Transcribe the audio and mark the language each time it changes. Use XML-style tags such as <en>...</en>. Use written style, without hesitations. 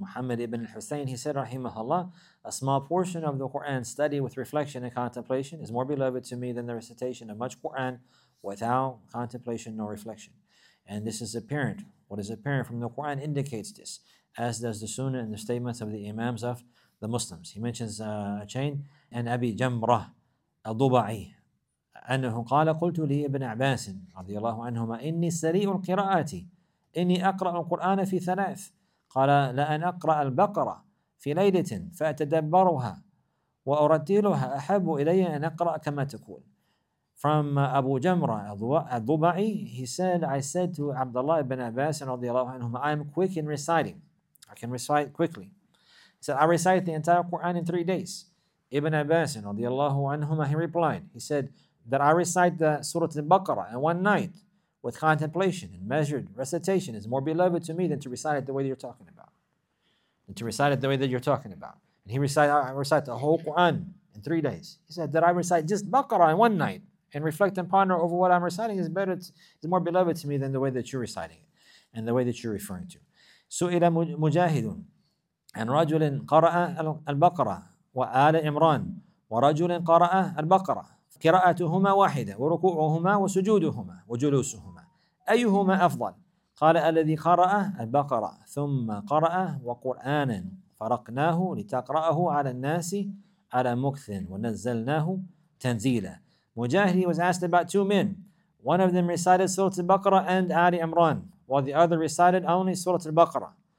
<en>Muhammad ibn al-Husayn, he said, rahimahullah, a small portion of the Qur'an study with reflection and contemplation is more beloved to me than the recitation of much Qur'an without contemplation nor reflection. And this is apparent. What is apparent from the Qur'an indicates this, as does the sunnah and the statements of the imams of the Muslims. He mentions a chain, and Abi Jamrah al-Duba'i,</en> <ar>أَنَّهُ قَالَ قُلْتُ لِي إِبْنَ عَبَاسٍ رَضِيَ اللَّهُ عَنْهُمَا إِنِّي سَرِيعُ الْقِرَاءَةِ إني أقرأ القرآن في ثلاث. قال لأن أقرأ البقرة في ليلة فأتدبرها وأرتيلها أحب إلي أن أقرأ كما تقول.</ar> <en>From Abu Jamrah al-Duba'i, he said, I said to Abdullah ibn Abbas رضي الله عنهما, I am quick in reciting. I can recite quickly. He said, I recite the entire Quran in 3 days. Ibn Abbas رضي الله عنهما, he replied, he said that I recite the Surah al-Baqarah in one night with contemplation and measured recitation is more beloved to me than to recite it the way that you're talking about. And he recited the whole Quran in 3 days. He said that I recite just Baqarah in one night and reflect and ponder over what I'm reciting is better, is more beloved to me than the way that you're reciting it and the way that you're referring to.</en> <ar>سُئِلَ مُجَاهِدٌ عَنْ رَجُلٍ قَرَأَ الْبَقَرَةَ وَآلَ إِمْرَانَ وَرَجُلٍ قَرَأَ الْبَقَرَةَ قراءتهما واحدة وركوعهما وسجودهما وجلوسهما أيهما أفضل؟ قال الذي قرأ البقرة ثم قرأ وقرآنا فرقناه لتقرأه على الناس على مكث ونزلناه تنزيلا.</ar> <en>Mujahid was asked about two men. One of them recited Surah Al-Baqarah and Ali Imran, while the other recited only Surah Al-Baqarah.</en>